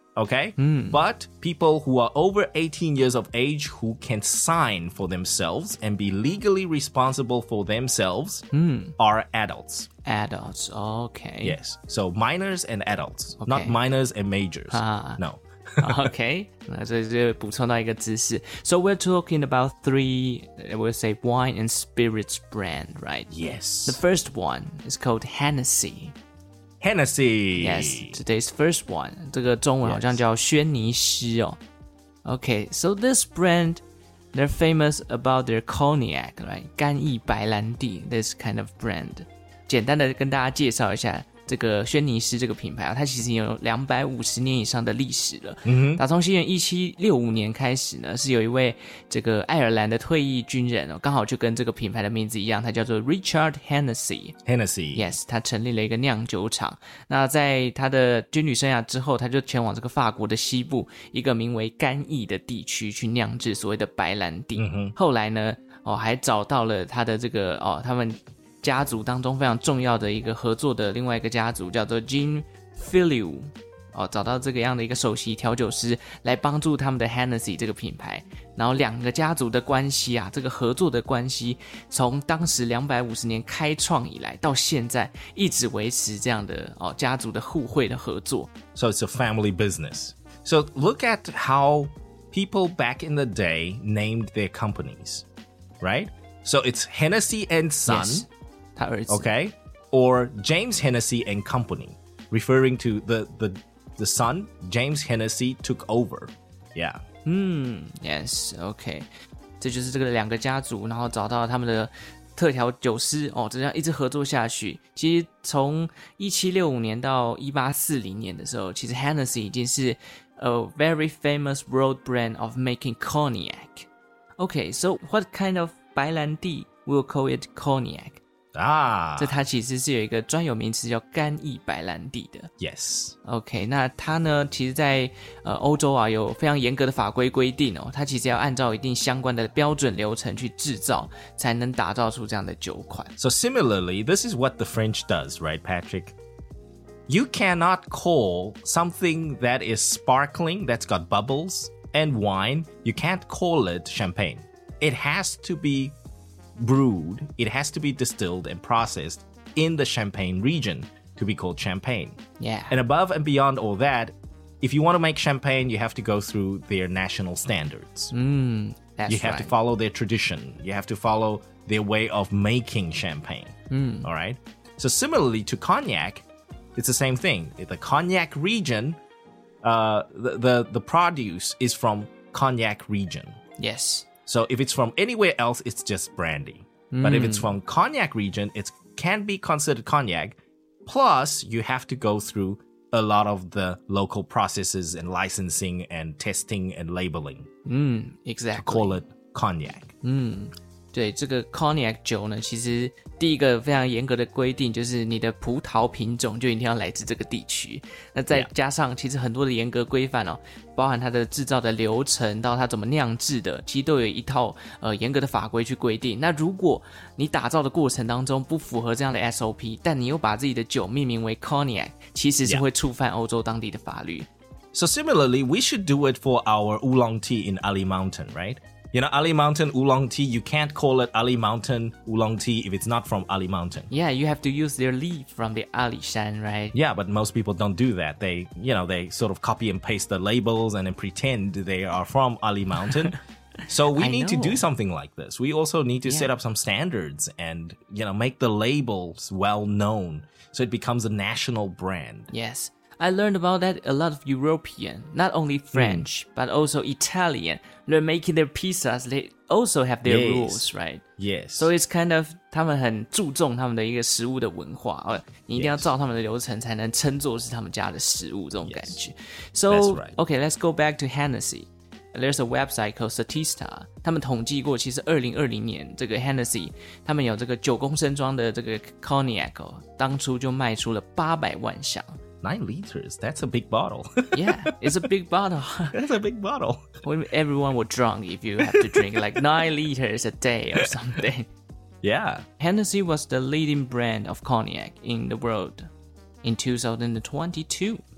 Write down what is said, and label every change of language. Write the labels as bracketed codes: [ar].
[en] Okay, but people who are over 18 years of age who can sign for themselves and be legally responsible for themselves are adults. Adults, okay. Yes, so minors and adults, not minors and majors, no. okay, [zh] 那这就补充到一个知识。 [en] So we're talking about three, we'll say wine and spirits brand, right? Yes. The first one is called Hennessy. Hennessy. Yes, today's first one. [zh] 这个中文好像叫轩尼诗哦。 [en] Okay, so this brand, they're famous about their cognac, right? 干邑白兰地, this kind of brand. [zh] 简单的跟大家介绍一下这个轩尼诗这个品牌啊，它其实有250年以上的历史了。 Mm-hmm. 打从西元1765年开始呢，是有一位这个爱尔兰的退役军人哦，刚好就跟这个品牌的名字一样，他叫做 Richard Hennessy。 Hennessy， [en] yes， [zh] 他成立了一个酿酒厂。那在他的军旅生涯之后，他就前往这个法国的西部一个名为干邑的地区去酿制所谓的白兰地。 Mm-hmm. 后来呢，哦，还找到了他的这个哦，他们。家族当中非常重要的一个合作的另外一个家族叫做 Jean Filiou、哦、找到这个样的一个首席调酒师来帮助他们的 Hennessy 这个品牌然后两个家族的关系啊这个合作的关系从当时250年开创以来到现在一直维持这样的、哦、家族的互惠的合作 [en] So it's a family business So look at how people back in the day named their companies Right? So it's Hennessy and Son、 yes. [zh] 他儿子 [en] okay, or James Hennessy and Company, referring to the son James Hennessy took over. Yeah. Yes. Okay. [zh] 这就是这个两个家族，然后找到他们的特调酒师哦，这样一直合作下去。其实从1765年到1840年的时候，其实 Hennessy 已经是 [en] a very famous world brand of making cognac. Okay. So what kind of 白兰地 will call it cognac? [zh] 这它其实是有一个专有名词叫干邑白兰地的 [en] Yes OK [zh] 那它呢其实在、欧洲啊有非常严格的法规规定哦，它其实要按照一定相关的标准流程去制造才能打造出这样的酒款 [en] So similarly this is what the French does right Patrick You cannot call something that is sparkling that's got bubbles and wine You can't call it champagne It has to beBrewed, it has to be distilled and processed in the Champagne region to be called Champagne. Yeah. And above and beyond all that, if you want to make Champagne, you have to go through their national standards. That's you have right. to follow their tradition. You have to follow their way of making Champagne. All right. So similarly to Cognac, it's the same thing. The Cognac region, the produce is from Cognac region. Yes. So if it's from anywhere else, it's just brandy. But if it's from cognac region, it can be considered cognac. Plus, you have to go through a lot of the local processes and licensing and testing and labeling. Exactly. To call it cognac. [zh] 对，这个 cognac 酒呢，其实第一个非常严格的规定就是你的葡萄品种就一定要来自这个地区。那再加上其实很多的严格规范哦，包含它的制造的流程到它怎么酿制的，其实都有一套严格的法规去规定。那如果你打造的过程当中不符合这样的 SOP， 但你又把自己的酒命名为 cognac， 其实是会触犯欧洲当地的法律。 [en] So similarly, we should do it for our oolong tea in Ali Mountain, right? You know, Ali Mountain oolong tea, you can't call it Ali Mountain oolong tea if it's not from Ali Mountain. Yeah, you have to use their leaf from the Ali Shan, right? Yeah, but most people don't do that. They, you know, they sort of copy and paste the labels and then pretend they are from Ali Mountain. So we need to do something like this. We also need to set up some standards and, you know, make the labels well known so it becomes a national brand. Yes. I learned about that a lot of European, not only French, but also Italian. They're making their pizzas, they also have their rules, right? Yes. So it's kind of, [zh] 他们很注重他们的一个食物的文化。你一定要照他们的流程才能称作是他们家的食物这种感觉。 [en] So, okay, let's go back to Hennessy. There's a website called Statista. [zh] 他们统计过，其实2020年这个 Hennessy 他们有这个九公升装的这个 Cognac 当初就卖出了800万箱。 [en] 9 liters, that's a big bottle. Yeah, it's a big bottle. That's a big bottle. Everyone will drunk if you have to drink like 9 liters a day or something. Yeah. Hennessy was the leading brand of Cognac in the world in 2022.